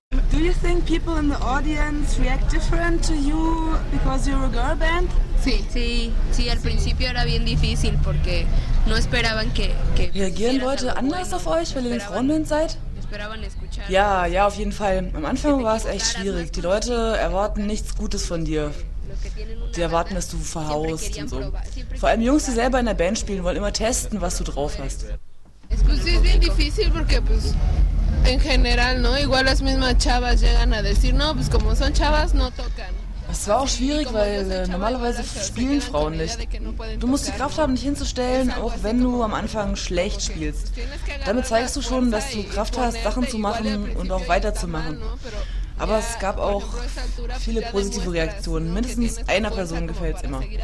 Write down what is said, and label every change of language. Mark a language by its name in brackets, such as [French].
[English] Do you think people in the audience react different to you because you're a girl band? [Spanish] Sí, al principio era bien difícil porque no esperaban que [German] reagieren Leute anders auf euch, weil ihr eine Frauenband seid? Ja, auf jeden Fall. Am Anfang war es echt schwierig. Die Leute erwarten nichts Gutes von dir. Die erwarten, dass du verhaust und so. Vor allem Jungs, die selber in der Band spielen, wollen immer testen, was du drauf hast. [Spanish] Es ist bien difícil porque pues en general, ¿no? Igual las mismas chavas llegan a decir, no, pues como son chavas no tocan. [German] Es war auch schwierig, weil normalerweise spielen Frauen nicht. Du musst die Kraft haben, dich hinzustellen, auch wenn du am Anfang schlecht spielst. Damit zeigst du schon, dass du Kraft hast, Sachen zu machen und auch weiterzumachen. Aber es gab auch viele positive Reaktionen. Mindestens einer Person gefällt es immer.